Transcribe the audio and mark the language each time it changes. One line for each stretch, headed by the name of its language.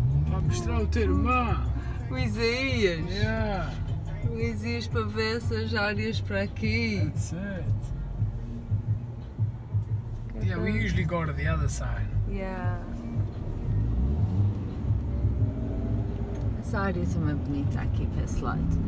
Portuguese: Para mostrar o teu irmão. O Isaías.
English: Yeah.
Portuguese: O Isaías para ver essas áreas para aqui.
English: That's it. Yeah, we usually go to the other side. Yeah.
Portuguese: Essa área também é bonita aqui para esse lado.